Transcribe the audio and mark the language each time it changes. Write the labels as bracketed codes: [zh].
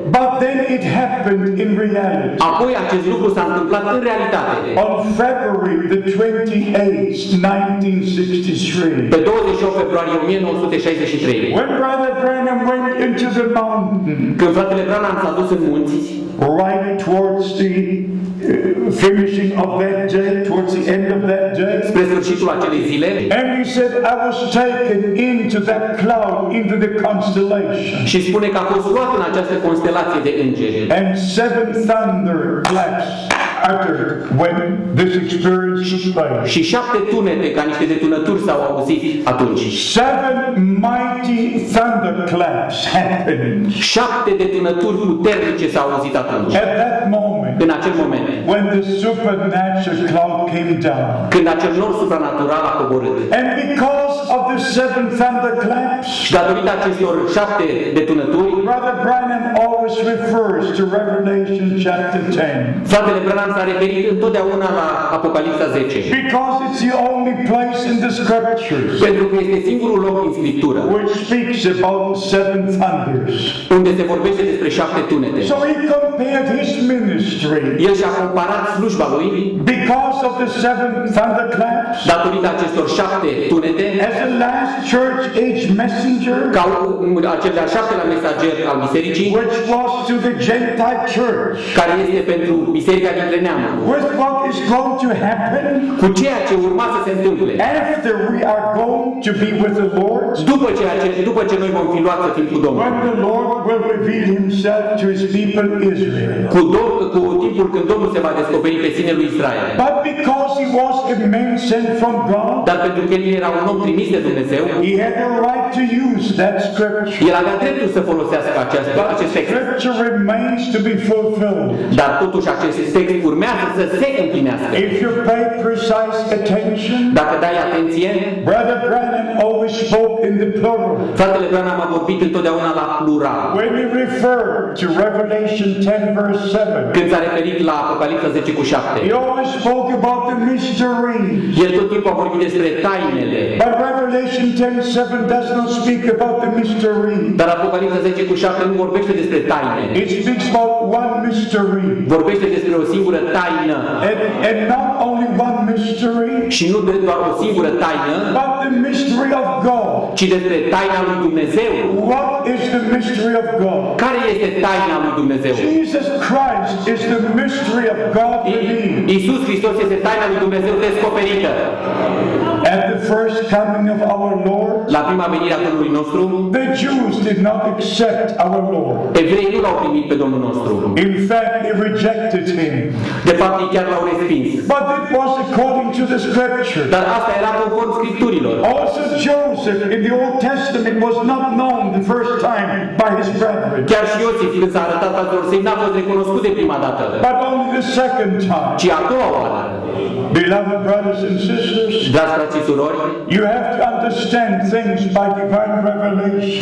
[en] but then it happened in reality. [ro] Apoi acest lucru s-a întâmplat în realitate. [en] On February the 28th, 1963. [ro] Pe 28 februarie 1963. [en] When Brother Branham went into the mountain. [ro] Când fratele Branham s-a dus în munți. [en] Right towards the finishing of that day, towards the end of that day. [ro] Spre sfârșitul acelei zile. [en] And he said, I was taken into that cloud, into the constellation. [ro] Și spune că a fost luat în această constelație de îngeri. [en] And seven thunder claps uttered when this experience was played. [ro] Și șapte tunete, ca niște detunături, s-au auzit atunci. [en] Seven mighty thunder claps happened. [ro] Șapte detunături puternice s-au auzit atunci. [en] At that moment. [ro] În acel moment. [en] When the supernatural cloud came down. [ro] Când acel nor supranatural a coborât. [en] And because of the seven thunder claps. [ro] Și datorită acestor șapte detunături. [en] Brother Branham always refers to Revelation chapter 10. [ro] Fratele Branham s-a referit întotdeauna la Apocalipsa 10. [en] Because it's the only place in the scriptures. [ro] Pentru că este singurul loc în Scriptură. [en] Which speaks about seven thunders. [ro] Unde se vorbește despre șapte tunete. [en] So he compared his ministry. [ro] El și-a comparat slujba lui. [en] Because of the seven thunder claps. [ro] Datorită acestor șapte tunete. [en] As a last church age messenger. [ro] Ca acel de-al șaptelea mesager al bisericii. [en] Which was to the Gentile church. [ro] Care este pentru biserica. [en] With what is going to happen? [ro] Cu ceea ce urma să se întâmple. [en] After we are going to be with the Lord. [ro] După ce noi vom fi luați să fim cu Domnul. [en] When the Lord will reveal Himself to His people Israel. [ro] Cu timp timpul când Domnul se va descoperi pe sine lui Israel. [en] But because he was a man sent from God, [ro] dar pentru că el era un om trimis de Dumnezeu, [en] he had the right to use that scripture. [ro] El avea dreptul să folosească acest text. [en] Scripture remains to be fulfilled. [ro] Dar totuși acest text urmează să se împlinească. [en] If you pay precise attention, [ro] dacă dai atenție, [en] Brother Branham always spoke in the plural. [ro] Fratele Branham a vorbit întotdeauna la plural. [en] When he referred to Revelation 10 verse 7, [ro] când s-a referit la Apocalipsa 10 cu 7, [en] he always spoke about the mysteries. [ro] El tot timpul a vorbit despre tainele. [en] But Revelation 10:7 does not speak about the mysteries. [ro] Dar Apocalipsa 10 cu 7 nu vorbește despre taine. [en] It speaks about one mystery. [ro] Vorbește despre o singură taină. [en] And not only one mystery. [ro] Și nu doar o singură taină. [en] But the mystery of God. [ro] Ci despre taina lui Dumnezeu. [en] What is the mystery of God? [ro] Care este taina lui Dumnezeu? [en] Jesus Christ is the mystery of God revealed. [ro] Iisus Hristos este taina lui Dumnezeu descoperită. [en] At the first coming of our Lord, [ro] la prima venire a Domnului nostru, [en] the Jews did not accept our Lord. [ro] Evreii nu l-au primit pe Domnul nostru. [en] In fact, they rejected him. [ro] De fapt, ei chiar l-au respins. [en] But it was according to the scripture. [ro] Dar asta era conform scripturilor. [en] Also, Joseph in the Old Testament was not known the first time by his brethren. [ro] Chiar și Iosif, când s-a arătat altor săi, n-a fost recunoscut de prima dată. [en] But only the second time. [ro] Ci a doua oară. [en] Beloved brothers and sisters, you have to understand things by divine revelation.